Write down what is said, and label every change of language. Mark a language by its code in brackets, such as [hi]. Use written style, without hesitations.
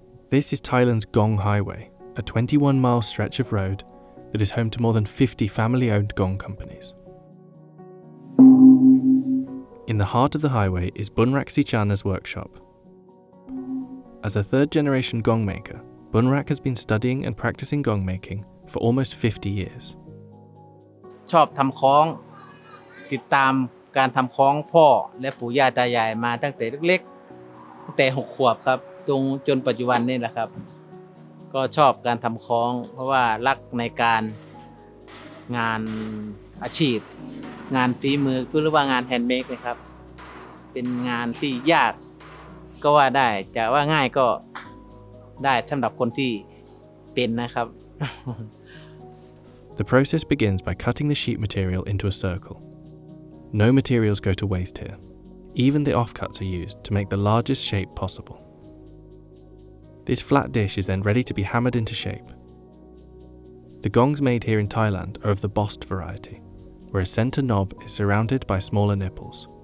[en] This is Thailand's Gong Highway, a 21-mile stretch of road that is home to more than 50 family-owned gong companies. In the heart of the highway is Bunrak Sichana's workshop. As a third-generation gong maker, Bunrak has been studying and practicing gong making for almost 50 years. [th] ชอบทำคล้องติดตามการทำคล้องพ่อและปู่ย่าตายายมาตั้งแต่เล็กๆตั้งแต่6ขวบครับจนปัจจุบันนี่แหละครับก็ชอบการทำคล้องเพราะว่ารักในการ งานอาชีพงานฝีมือหรือว่างานแฮนด์เมดนะครับเป็นงานที่ยากก็ว่าได้จะว่าง่ายก็ได้สำหรับคนที่เป็นนะครับ [en] The process begins by cutting the sheet material into a circle. No materials go to waste here. Even the offcuts are used to make the largest shape possible. This flat dish is then ready to be hammered into shape. The gongs made here in Thailand are of the bossed variety, where a center knob is surrounded by smaller nipples.